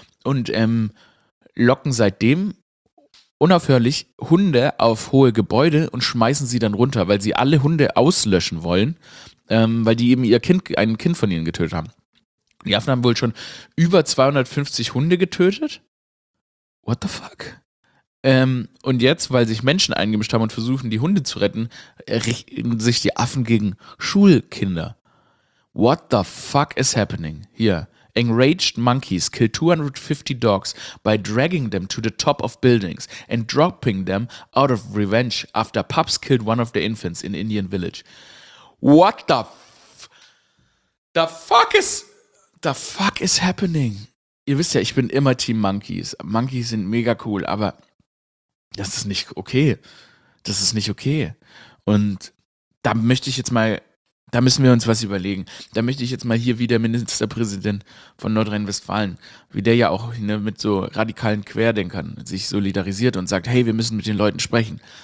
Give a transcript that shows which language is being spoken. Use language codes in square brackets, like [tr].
[de] Und locken seitdem unaufhörlich Hunde auf hohe Gebäude und schmeißen sie dann runter, weil sie alle Hunde auslöschen wollen, weil die eben ein Kind von ihnen getötet haben. Die Affen haben wohl schon über 250 Hunde getötet. [en] What the fuck? [de] Und jetzt, weil sich Menschen eingemischt haben und versuchen, die Hunde zu retten, richten sich die Affen gegen Schulkinder. [en] What the fuck is happening here? Enraged monkeys kill 250 dogs by dragging them to the top of buildings and dropping them out of revenge after pups killed one of the infants in Indian village. What the fuck is happening? [de] Ihr wisst ja, ich bin immer Team Monkeys. Monkeys sind mega cool, aber das ist nicht okay. Das ist nicht okay. Und da möchte ich jetzt mal... Da müssen wir uns was überlegen. Da möchte ich jetzt mal hier, wie der Ministerpräsident von Nordrhein-Westfalen, wie der ja auch, ne, mit so radikalen Querdenkern sich solidarisiert und sagt, hey, wir müssen mit den Leuten sprechen.